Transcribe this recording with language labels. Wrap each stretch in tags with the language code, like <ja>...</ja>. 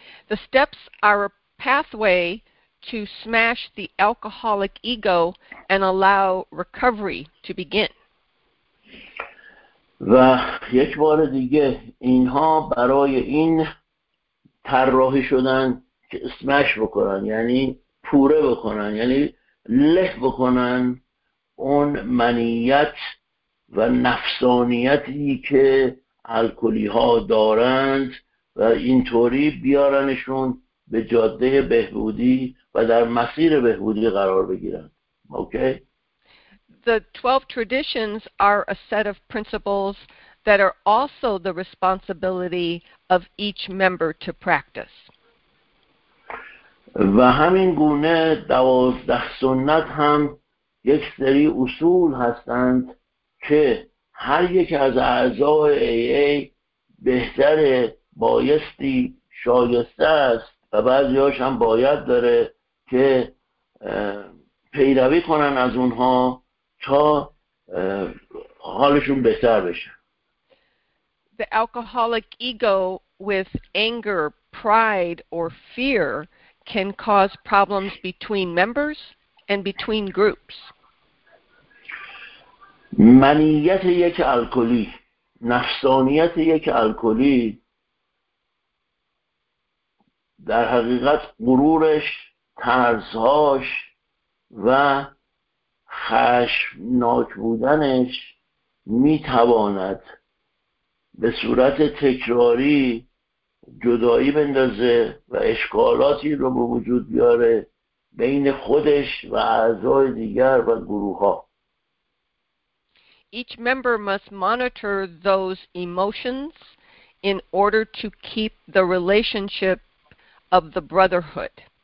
<en>The steps are a pathway to smash the alcoholic ego and allow recovery to begin.</en> <fa>و یک بار دیگه اینها برای این طراحی شدن که اسمش بکنن، یعنی پوره بکنن، یعنی له بکنن اون منیت و نفسانیتی که الکلی ها دارند و اینطوری بیارنشون به جاده بهبودی و در مسیر بهبودی قرار بگیرند.</fa> <en>Okay? The 12 traditions are a set of principles that are also the responsibility of each member to practice.</en> <fa>و همین گونه 12 سنت هم یک سری اصول هستند که هر یک از اعضای AA بهتر بایستی شایسته است و بعضی هاش هم باید داره که پیروی کنن از اونها تا حالشون بهتر بشه.</fa> <en>The alcoholic ego with anger, pride or fear can cause problems between members and between groups.</en> <fa>منیت یک الکلی، نفسانیت یک الکلی در حقیقت غرورش، ترسهاش و خشمناک بودنش میتواند به صورت تکراری جدایی بندازه و اشکالاتی رو به وجود بیاره بین خودش و اعضای دیگر و گروه ها.</fa> <en>Each member must monitor those emotions in order to keep the relationship of the brotherhood.</en>